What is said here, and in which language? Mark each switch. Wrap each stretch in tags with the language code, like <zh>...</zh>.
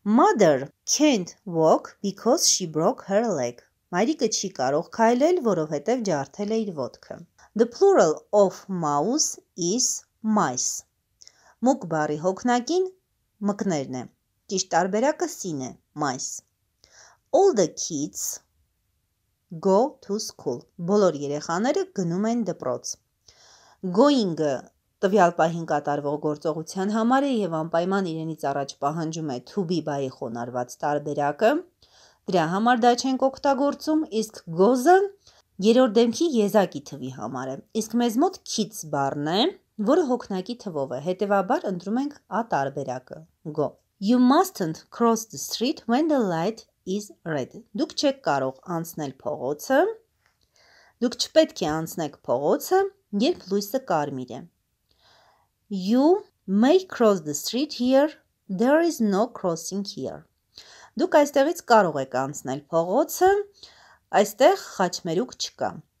<en>Mother can't walk because she broke her leg.</en> <hy>Մայրիկը չի կարող քայլել, որովհետև ջարդել է իր ոտքը։</hy> <en>The plural of mouse is mice.</en> <hy>Մուկ բառի հոգնակին մկներն է։ Ճիշտ տարբերակը sin է, mice.</hy> <en>All the kids go to school.</en> <hy>Բոլոր երեխաները գնում են դպրոց։ Going-ը տվյալ պահին կատարվող գործողության համար է եւ անպայման իրենից առաջ պահանջում է to be by-ի խոնարհված տարբերակը։ Դրա համար դա չենք օգտագործում, իսկ goes-ը երրորդ դեմքի եզակի թվի համար է։ Իսկ մեզ մոտ kids բառն է, որը հոգնակի թվով է, հետեւաբար ընտրում ենք a տարբերակը, go։</hy> <en>You mustn't cross the street when the light is red։</en> <hy>Դուք չեք կարող անցնել փողոցը։ Դուք չպետք է անցնեք փողոցը, երբ լույսը կարմիր է։</hy> <en>You may cross the street here. There is no crossing here.</en> <hy>Դուք այստեղից կարող եք անցնել փողոցը, այստեղ խաչմերուկ չկա։</hy>